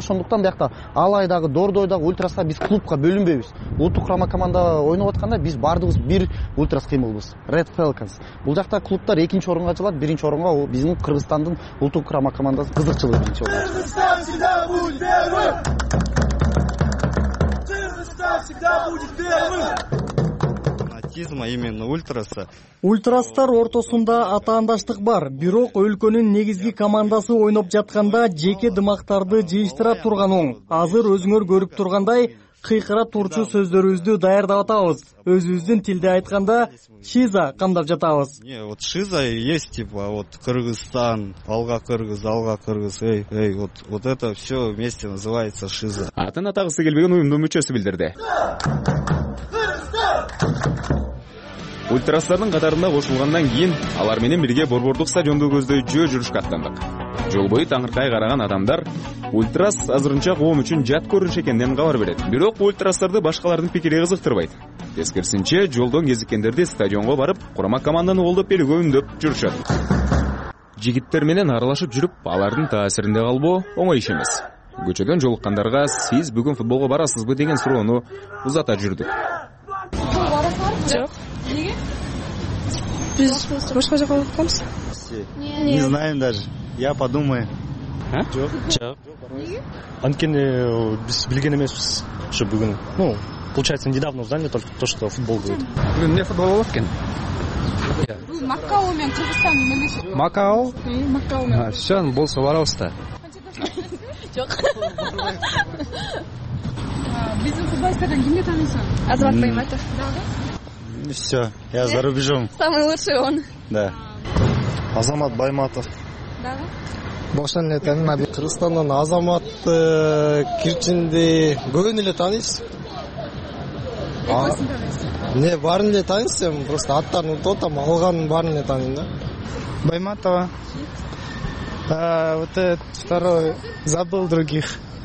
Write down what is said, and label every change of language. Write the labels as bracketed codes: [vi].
[ky] Ошондуктан биякта Алайдагы, Дордойдагы ультрастар биз клубка бөлүнбөйбүз. Улуттук курама команда ойноп атканда биз баардыгыбыз бир ультрас кыймылбыз. [en] Red Falcons. [ky] Бул жакта клубтар экинчи орунга жылат, биринчи орунга биздин Кыргызстандын улуттук курама командасы кызыкчылык биринчи орунга. [ru] Кыргызстан всегда будет первым. Именно ультраса. [ky] Ультрастар ортосунда атаандаштык бар, бирок өлкөнүн негизги командасы ойноп жатканда жеке дымактарды жыйыштыра турган оң. Азыр өзүңөр көрүп тургандай кыйкыра турчу сөздөрүбүздү даярдап атабыз. Өзүбүздүн тилде айтканда шиза камдап жатабыз. [ru] Вот шиза есть типа вот Кыргызстан, [ky] алга кыргыз, алга кыргыз. [ru] Эй, вот это все вместе называется шиза. [ky] Атын атагысы келбеген уюмдун мүчөсү билдирди. Ультрастардын катарына кошулгандан кийин алар менен бирге борбордук стадионду көздөй жөө жүрүшкө аттандык. Жол бою таңыркай караган адамдар ультрас азырынча коом үчүн жат көрүнүш экенинен кабар берет. Бирок ультрастарды башкалардын пикири кызыктырбайт. Тескерисинче жолдон кезиккендерди стадионго барып курама команданы колдоп берүүгө үндөп жүрүшөт. Жигиттер менен аралашып жүрүп алардын таасиринде калбоо оңой иш эмес. Көчөдөн жолуккандарга сиз бүгүн футболго барасызбы деген суроону узата жүрдүк. Жок. Неге? Биз башка жака барабыз. [ru] Не знаем даже. Я подумаю. [ky] Жок. Жок. Неге? Анткени биз билген эмеспиз, [ru] что [ky] бүгүн, [ru] ну, получается, недавно узнали только то, что футбол будет. [ky] Бүгүн эмне футбол болот экен? Бул Макао менен Кыргызстандын эмеси. Макао? Макао менен. Всё, болсо барабыз да. Жок. Биздин футболисттерден кимди таанысың? Азамат Байматов. Дагы. [ru] Все, я за рубежом. Самый лучший он. Да. Азамат Байматов. Да. [ky] Башан эле таанын мен Кыргызстандан Азамат кирчинди көгөн эле тааныйсыз. Эмне барын эле таанысым, просто аттарын утуп атам, алганын барын эле тааныйм да. [ru] Байматова. Вот этот второй забыл других.